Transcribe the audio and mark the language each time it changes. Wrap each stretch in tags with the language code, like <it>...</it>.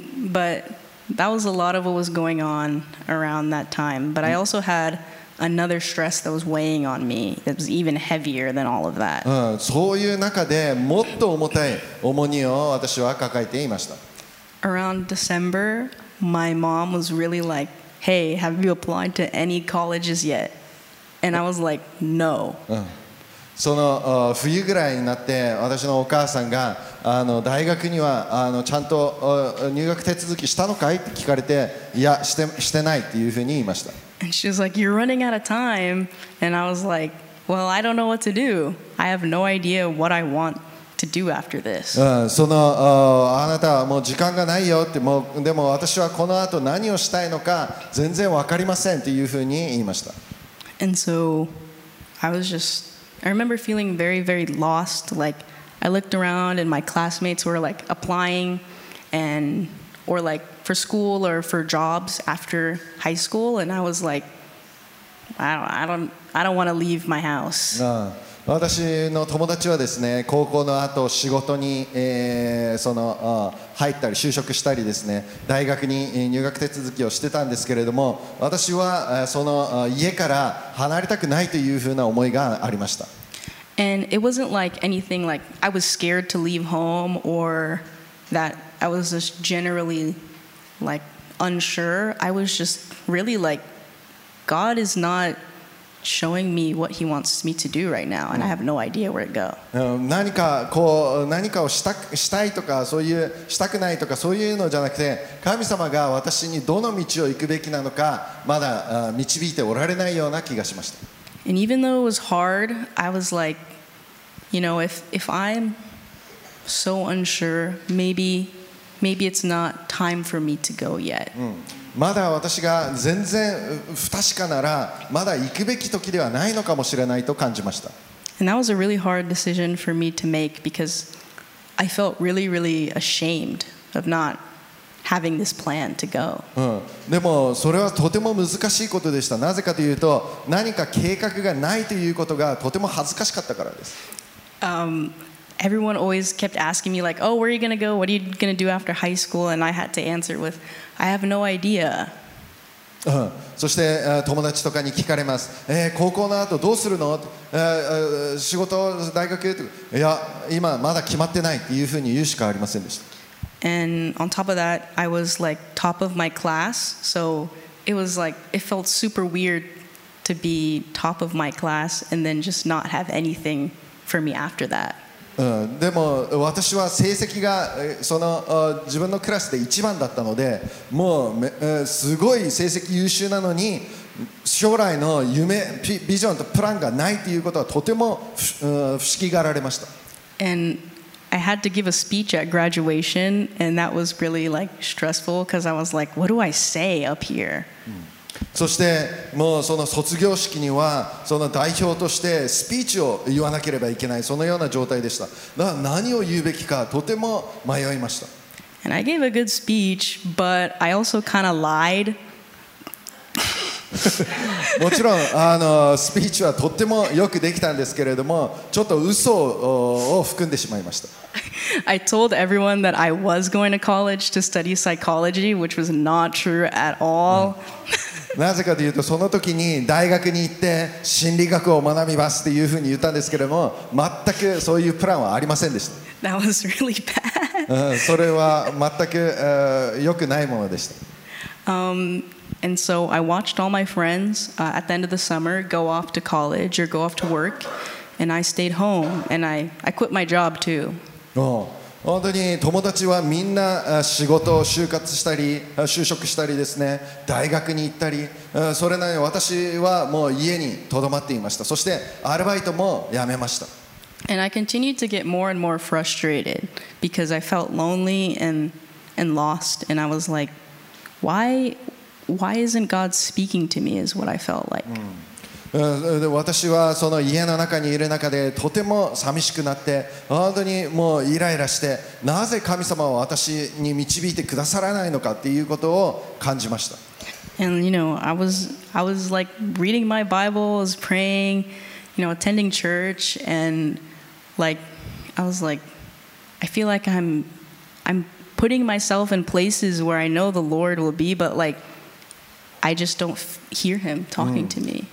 <en>But That was a lot of what was going on around that time. But I also had another stress that was weighing on me that was even heavier than all of that.</en> <ja>そういう中でもっと重たい重荷を私は抱えていました。</ja> <en>Around December, my mom was really like, hey, have you applied to any colleges yet? And I was like, no.</en> <ja>その冬ぐらいになって私のお母さんが大学にはちゃんと入学手続きしたのかいって聞かれて、いや、してないっていうふうに言いました。</ja> <en>And she was like, you're running out of time. And I was like, well, I don't know what to do. I have no idea what I want to do after this.</en> <ja>あなたはもう時間がないよって、もうでも私はこの後何をしたいのか全然わかりませんっていうふうに言いました。</ja> <en>And so I was just, I remember feeling very, very lost, like,I looked around and my classmates were like applying and or like for school or for jobs after high school and I was like I don't want to leave my house.</en> <ja>私の友達はですね、高校の後仕事に、入ったり就職したりですね、大学に入学手続きをしてたんですけれども、私はその家から離れたくないというふうな思いがありました。</ja> <en>And it wasn't like anything like I was scared to leave home or that I was just generally like unsure. I was just really like, God is not showing me what he wants me to do right now. And I have no idea where to go.</en> <ja>何かこう何かをしたいとかそういうしたくないとかそういうのじゃなくて、神様が私にどの道を行くべきなのかまだ導いておられないような気がしました。</ja> <en>And even though it was hard, I was like, you know, if I'm so unsure. Maybe it's not time for me to go yet.</en> <ja>まだ私が全然不確かならまだ行くべき時ではないのかもしれないと感じました。</ja> <en>And that was a really hard decision for me to make because I felt really, really ashamed of not having this plan to go.</en> <ja>でもそれはとても難しいことでした。なぜかというと何か計画がないということがとても恥ずかしかったからです。</ja> <en>Everyone always kept asking me like, oh, where are you going to go? What are you going to do after high school? And I had to answer with, I have no idea.</en> <ja>そして友達とかに聞かれます。高校の後どうするの？仕事、大学？いや、今まだ決まってないっていうふうに言うしかありませんでした。</ja> <en>And on top of that, I was like top of my class. So it was like, it felt super weird to be top of my class and then just not have anything for me after that.</en> <ja>でも私は成績がその自分のクラスで一番だったのでもうすごい成績優秀なのに将来の夢ビジョンとプランがないということはとても不思議がられました。</ja> <en>And I had to give a speech at graduation and that was really like stressful because I was like, what do I say up here?</en> <ja>そしてもうその卒業式にはその代表としてスピーチを言わなければいけないそのような状態でした。だから何を言うべきかとても迷いました。</ja> <en>And I gave a good speech, but I also kind of lied.</en> <ja>もちろんスピーチはとってもよくできたんですけれどもちょっと嘘を含んでしまいました。</ja> <en>I told everyone that I was going to college to study psychology, which was not true at all.</en> <ja>なぜかというとその時に大学に行って心理学を学びますっていうふうに言ったんですけれども全くそういうプランはありませんでした。</ja> <en>That was really bad.</en> <ja>それは全く良くないものでした。</ja> <en>And so I watched all my friends at the end of the summer go off to college or go off to work, and I stayed home and I quit my job too.</en> <ja>本当に友達はみんな仕事を就活したり就職したりですね大学に行ったりそれなのに私はもう家にとどまっていました。そしてアルバイトも辞めました。</ja> <en>And I continued to get more and more frustrated because I felt lonely and lost, and I was like, why isn't God speaking to me is what I felt like.</en> <ja>私はその家の中にいる中でとても寂しくなって本当にもうイライラしてなぜ神様は私に導いてくださらないのかっていうことを感じました。</ja> <en>And you know, I was like reading my Bible, was praying, you know, attending church, and like I was like, I feel like I'm putting myself in places where I know the Lord will be, but likeI just don't hear him talking to me.</en>